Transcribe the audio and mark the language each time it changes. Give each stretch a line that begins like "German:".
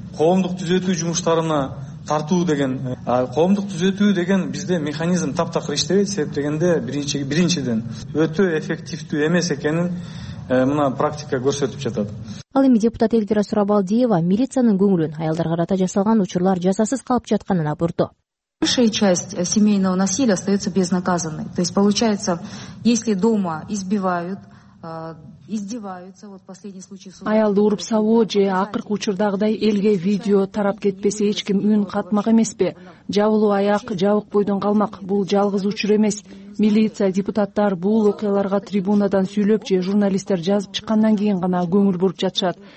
Kyrgyz: Коомдук түзөтүү жумуштарына тартуу деген коомдук түзөтүү деген бизде механизм таптакыр иштебейт. Себеп дегенде биринчиден өтө эффективдүү эмес экенин мына практика көрсөтүп жатат. Ал эми депутат Элвира Сурабалдиева милициянын көңүлүн аялдар карата жасалган учурлар жазасыз калып жатканына бурду.
Russian: Большая часть семейного насилия остается безнаказанной. То есть получается, если дома избивают, издеваются, вот последний случай в суде.
Kyrgyz: Аялды уруп салуу же акыркы учурдагыдай элге видео тарап кетпесе эч ким үн катмак эмеспи? Жабылуу аяк, жабык бойдон калмак бул жалгыз учур эмес. Милиция, депутаттар бул окуяларга трибунадан сүйлөп же журналисттер жазып чыккандан кийин гана көңүл буруп жатышат.